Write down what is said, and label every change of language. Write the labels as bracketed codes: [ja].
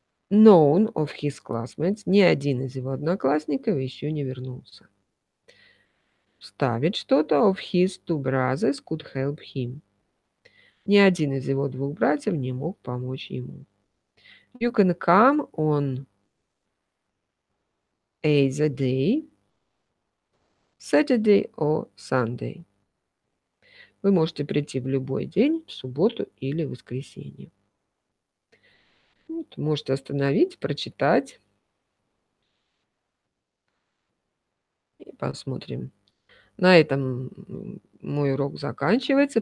[en] None of his classmates. [ru] Ни один из его одноклассников еще не вернулся. Вставить что-то. [en] Of his two brothers could help him. [ru] Ни один из его двух братьев не мог помочь ему. [en] You can come on either day, Saturday or Sunday. [ru] Вы можете прийти в любой день, в субботу или в воскресенье. Вот, можете остановить, прочитать. И посмотрим. На этом мой урок заканчивается.